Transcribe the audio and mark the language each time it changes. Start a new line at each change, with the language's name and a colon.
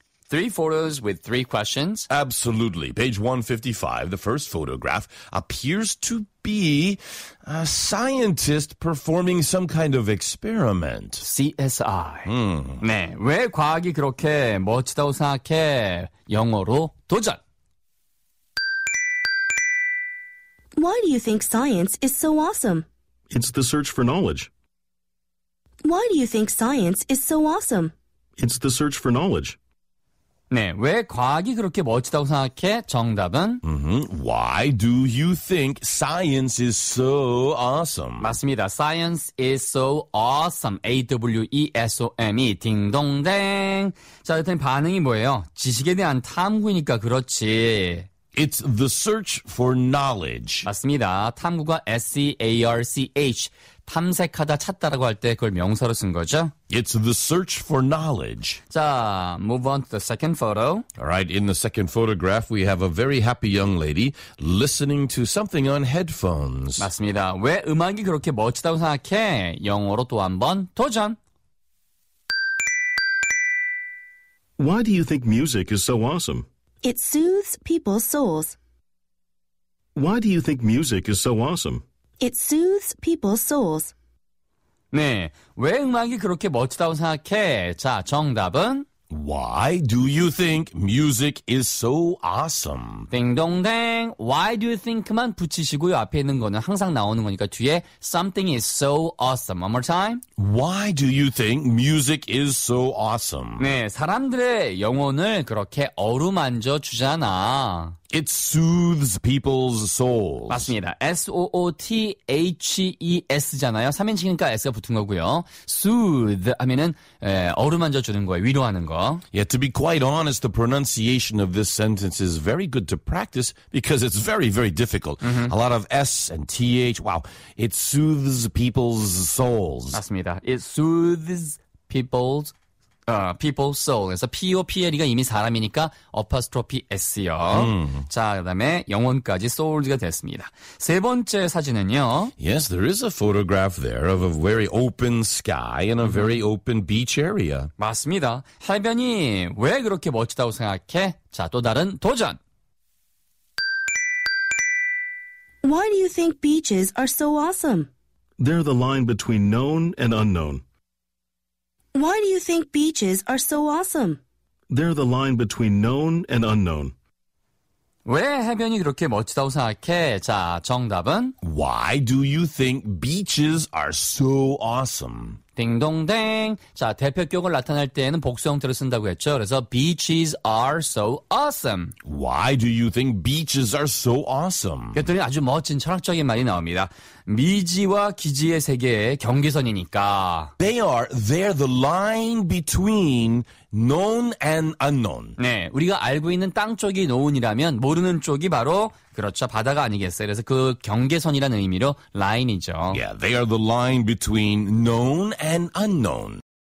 English: Three photos with three questions. Absolutely. Page 155, the first photograph appears to be a scientist performing some kind of experiment. CSI.
Korean: 네, 왜 과학이 그렇게 멋지다고 생각해? 영어로 도전!
English: Why do you think science is so awesome? It's the search for knowledge. Why do you think science is so awesome? It's the search for knowledge.
Korean: 네, 왜 과학이 그렇게 멋지다고 생각해? 정답은
English: Why do you think science is so awesome?
Korean: 맞습니다.
English: Science is so awesome. A-W-E-S-O-M-E.
Korean: 딩동댕. 자, 여튼 반응이 뭐예요? 지식에 대한 탐구니까 그렇지.
English: It's the search for knowledge.
Korean: 맞습니다. 탐구가 S-E-A-R-C-H. 탐색하다, 찾다라고 할 때 그걸 명사로 쓴 거죠.
English: It's the search for knowledge. 자, move on to the second photo. All right, in the second photograph, we have a very happy young lady listening to something on headphones.
Korean: 맞습니다. 왜 음악이 그렇게 멋지다고 생각해? 영어로 또 한 번 도전!
English: Why do you think music is so awesome? It soothes people's souls. Why do you think music is so awesome? It soothes people's souls.
Korean: 네, 왜 음악이 그렇게 멋지다고 생각해? 자, 정답은?
English: Why do you think music is so awesome?
Korean: 띵동댕.
English: Why do you think만 붙이시고요.
Korean: 앞에 있는 거는 항상 나오는 거니까 뒤에
English: something is so awesome. One more time. Why do you think music is so awesome?
Korean: 네, 사람들의 영혼을 그렇게 어루만져 주잖아.
English: It soothes people's souls.
Korean: 맞습니다. S-O-O-T-H-E-S잖아요. 3인칭이니까 S가 붙은 거고요. Soothe 하면은 어루만져 주는 거예요. 위로하는 거.
English: Yeah, to be quite honest, the pronunciation of this sentence is very good to practice because it's very, very difficult. Mm-hmm. A lot of S and TH. Wow. It soothes people's souls.
Korean: 맞습니다.
English: It soothes people's people soul.
Korean: 그래서 P-O-P-L이가 이미 사람이니까 apostrophe S요. 자, 그 다음에 영혼까지 souls가 됐습니다. 세 번째 사진은요.
English: Yes, there is a photograph there of a very open sky and a very open beach area.
Korean: 맞습니다. 해변이 왜 그렇게 멋지다고 생각해? 자, 또 다른 도전.
English: Why do you think beaches are so awesome? They're the line between known and unknown. Why do you think beaches are so awesome? They're the line between known and unknown.
Korean: 왜 해변이 그렇게 멋지다고 생각해? 자, 정답은?
English: Why do you think beaches are so awesome?
Korean: 딩동댕. 자, 대표격을 나타낼 때에는 복수 형태를 쓴다고 했죠.
English: 그래서 beaches are so awesome. Why do you think beaches are so awesome?
Korean: 그랬더니 아주 멋진 철학적인 말이 나옵니다. 미지와 기지의 세계의 경계선이니까.
English: They're the line between known and unknown.
Korean: 네, 우리가 알고 있는 땅 쪽이 known이라면 모르는 쪽이 바로 그렇죠. 바다가 아니겠어요. 그래서 그 경계선이라는 의미로 line이죠.
English: Yeah, they are the line between known and unknown.